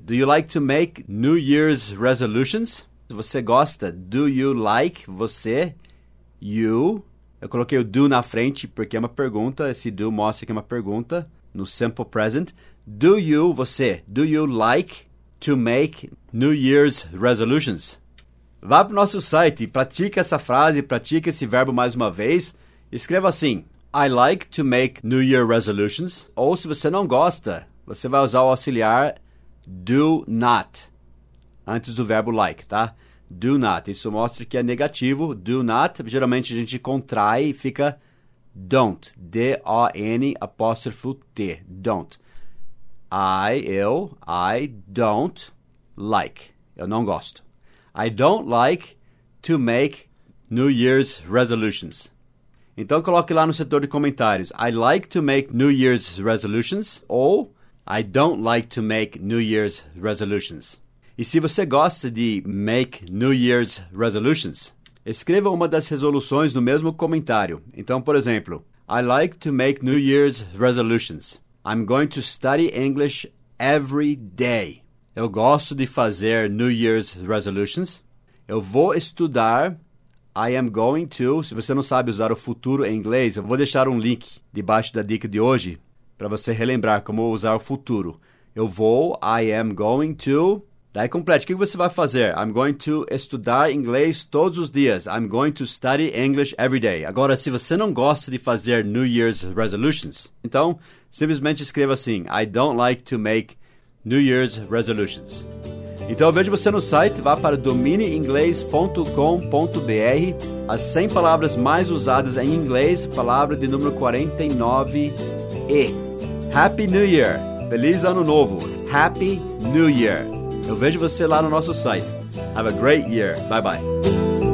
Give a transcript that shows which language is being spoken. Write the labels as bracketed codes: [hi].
[en] Do you like to make New Year's resolutions? [pt] Você gosta? [en] Do you like [pt] você? You? Eu coloquei o do na frente porque é uma pergunta. Esse do mostra que é uma pergunta no simple present. [en] Do you, você, do you like to make New Year's resolutions? [pt] Vá para o nosso site, pratique essa frase, pratique esse verbo mais uma vez. Escreva assim, [en] I like to make New Year resolutions. [pt] Ou se você não gosta, você vai usar o auxiliar do not, antes do verbo like, tá? Do not, isso mostra que é negativo, do not. Geralmente a gente contrai e fica don't, D-O-N apóstrofo T, don't. [en] I don't like, eu não gosto. I don't like to make New Year's resolutions. [pt] Então, coloque lá no setor de comentários. [en] I like to make New Year's resolutions. Ou, I don't like to make New Year's resolutions. [pt] E se você gosta de make New Year's resolutions, escreva uma das resoluções no mesmo comentário. Então, por exemplo, [en] I like to make New Year's resolutions. I'm going to study English every day. [pt] Eu gosto de fazer New Year's Resolutions. Eu vou estudar. [en] I am going to. [pt] Se você não sabe usar o futuro em inglês, eu vou deixar um link debaixo da dica de hoje para você relembrar como usar o futuro. Eu vou. [en] I am going to. [pt] Daí complete. O que você vai fazer? [en] I'm going to [pt] estudar inglês todos os dias. [en] I'm going to study English every day. [pt] Agora, se você não gosta de fazer New Year's Resolutions, então simplesmente escreva assim. [en] I don't like to make New Year's Resolutions. [pt] Então eu vejo você no site, vá para domineinglês.com.br. As 100 palavras mais usadas em inglês, palavra de número 49 E. [en] Happy New Year! [pt] Feliz Ano Novo! [en] Happy New Year! [pt] Eu vejo você lá no nosso site. [en] Have a great year. Bye-bye.